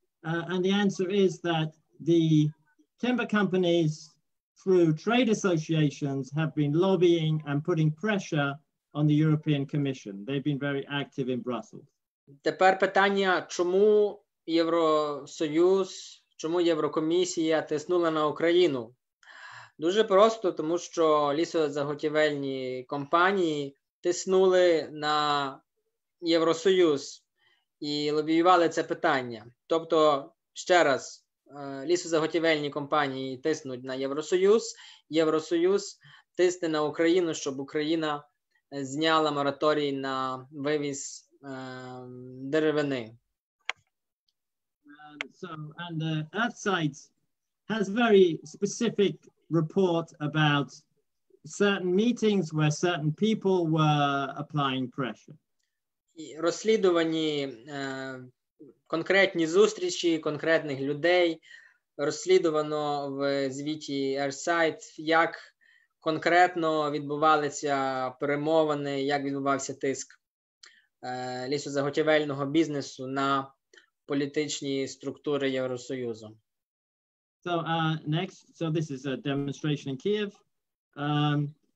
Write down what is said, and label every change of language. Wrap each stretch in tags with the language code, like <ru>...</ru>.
<en>And the answer is that the timber companies, through trade associations, have been lobbying and putting pressure on the European Commission. They've been very active in Brussels.</en> <uk>Тепер питання, чому Євросоюз, чому Єврокомісія тиснула на Україну? Дуже просто, тому що лісозаготівельні компанії тиснули на Євросоюз і лобіювали це питання. Тобто, ще раз, лісозаготівельні компанії тиснуть на Євросоюз, Євросоюз тисне на Україну, щоб Україна зняла мораторій на вивіз деревини.</uk> <en>And the Earthsight has very specific report about certain meetings where certain people were applying pressure.</en> <uk>Розслідувані конкретні зустрічі конкретних людей, розслідувано в звіті Earthsight, як конкретно відбувалися перемовини, як відбувався тиск лісозаготівельного бізнесу на політичні структури Євросоюзу.</uk> <en>So next, so this is a demonstration in Kyiv.</en>